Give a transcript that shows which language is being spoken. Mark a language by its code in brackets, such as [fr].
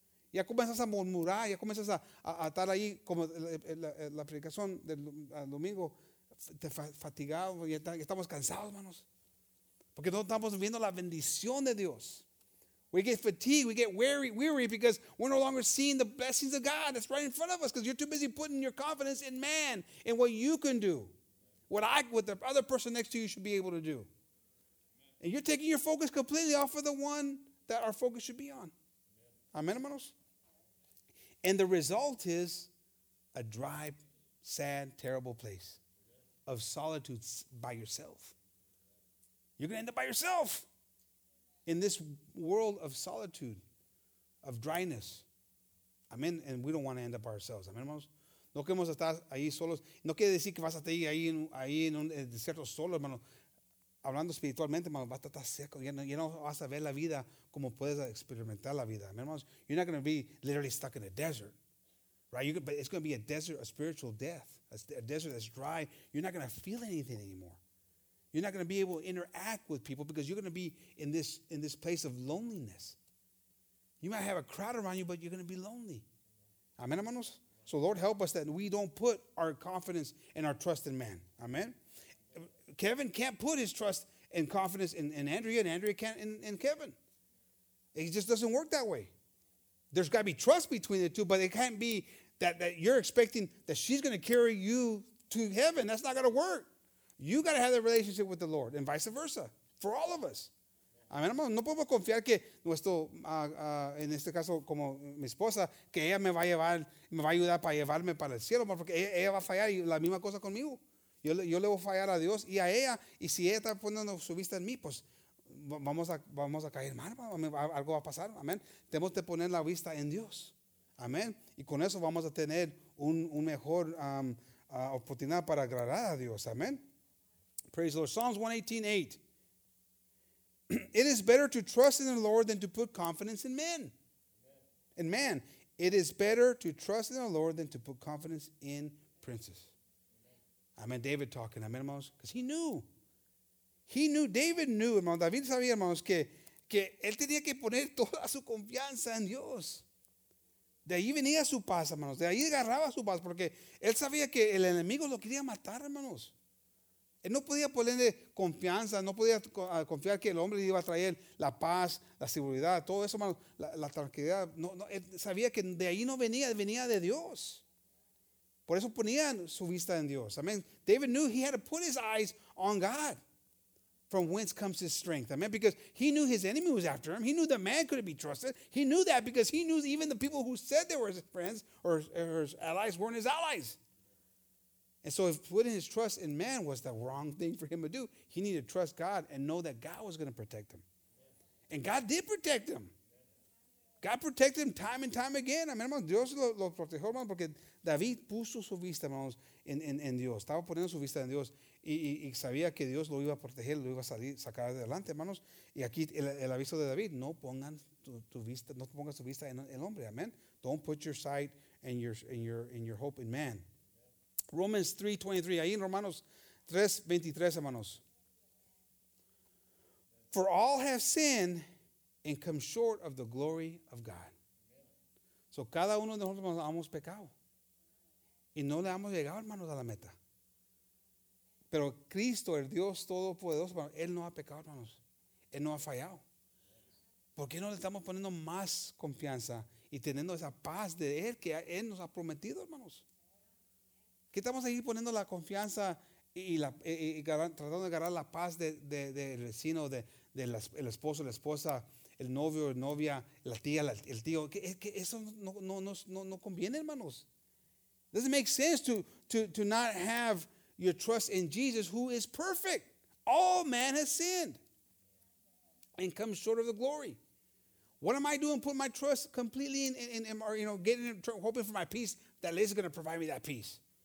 [es] Ya comienzas a murmurar, ya comienzas a estar ahí como la predicación del domingo, fatigado, ya estamos cansados, hermanos. Porque no estamos viendo la bendición de Dios. [en] We get fatigued, we get weary because we're no longer seeing the blessings of God that's right in front of us because you're too busy putting your confidence in man and what you can do, what the other person next to you should be able to do. And you're taking your focus completely off of the one that our focus should be on. Amen, hermanos? And the result is a dry, sad, terrible place of solitude by yourself. You're going to end up by yourself in this world of solitude, of dryness. Amen. And we don't want to end up by ourselves. [es] Amen, hermanos? No queremos estar ahí solos. No quiere decir que vas a estar ahí en un desierto solo, hermano. Hablando espiritualmente, hermano, vas a estar seco. Ya no vas a ver la vida como puedes experimentar la vida. Amen, hermanos? [en] You're not going to be literally stuck in a desert. Right? But it's going to be a desert, a spiritual death. A desert that's dry. You're not going to feel anything anymore. You're not going to be able to interact with people because you're going to be in this place of loneliness. You might have a crowd around you, but you're going to be lonely. Amen, hermanos? So, Lord, help us that we don't put our confidence and our trust in man. Amen? Kevin can't put his trust and confidence in Andrea, and Andrea can't in Kevin. It just doesn't work that way. There's got to be trust between the two, but it can't be that you're expecting that she's going to carry you to heaven. That's not going to work. You got to have that relationship with the Lord, and vice versa, for all of us. [es] Amen, hermano. No podemos confiar que nuestro, en este caso, como mi esposa, que ella me va a llevar, me va a ayudar para llevarme para el cielo, porque ella va a fallar y la misma cosa conmigo. Yo le voy a fallar a Dios y a ella, y si ella está poniendo su vista en mí, pues vamos a caer mal, algo va a pasar, amén. Tenemos que poner la vista en Dios, amén. Y con eso vamos a tener un mejor oportunidad para agradar a Dios, amén. [en] Praise the Lord. Psalms 118:8. It is better to trust in the Lord than to put confidence in men. In man. It is better to trust in the Lord than to put confidence in princes. I mean, David talking, amen, hermanos, because he knew. He knew, David knew, [es] hermanos, David sabía, hermanos, que él tenía que poner toda su confianza en Dios. De ahí venía su paz, hermanos, de ahí agarraba su paz, porque él sabía que el enemigo lo quería matar, hermanos. Él no podía ponerle confianza, no podía confiar que el hombre iba a traer la paz, la seguridad, todo eso, hermanos, la tranquilidad. No, él sabía que de ahí no venía, venía de Dios. Por eso ponía su vista en Dios. [en] I mean, David knew he had to put his eyes on God from whence comes his strength. I mean, because he knew his enemy was after him. He knew that man couldn't be trusted. He knew that because he knew even the people who said they were his friends or his allies weren't his allies. And so if putting his trust in man was the wrong thing for him to do, he needed to trust God and know that God was going to protect him. And God did protect him. God protected him time and time again. Amen, hermanos. [es] Dios lo protegió, hermanos, porque David puso su vista, hermanos, en Dios. Estaba poniendo su vista en Dios. Y sabía que Dios lo iba a proteger, lo iba a sacar adelante, hermanos. Y aquí el aviso de David, no pongan tu vista, no pongan su vista en el hombre. Amen. [en] Don't put your sight and your hope in man. Romans 3:23. [es] Ahí en Romanos 3:23, hermanos. [en] For all have sinned and come short of the glory of God. [es] So cada uno de nosotros hemos pecado. Y no le hemos llegado, hermanos, a la meta. Pero Cristo, el Dios Todopoderoso, Él no ha pecado, hermanos. Él no ha fallado. ¿Por qué no le estamos poniendo más confianza y teniendo esa paz de Él que Él nos ha prometido, hermanos? ¿Qué estamos ahí poniendo la confianza y tratando de agarrar la paz del vecino, el esposo, la esposa, el novio, la novia, la tía, el tío. Que eso no conviene, hermanos. [en] Doesn't make sense to not have your trust in Jesus, who is perfect. All man has sinned and comes short of the glory. What am I doing? Putting my trust completely in or, you know, getting, hoping for my peace, that Liz is going to provide me that peace.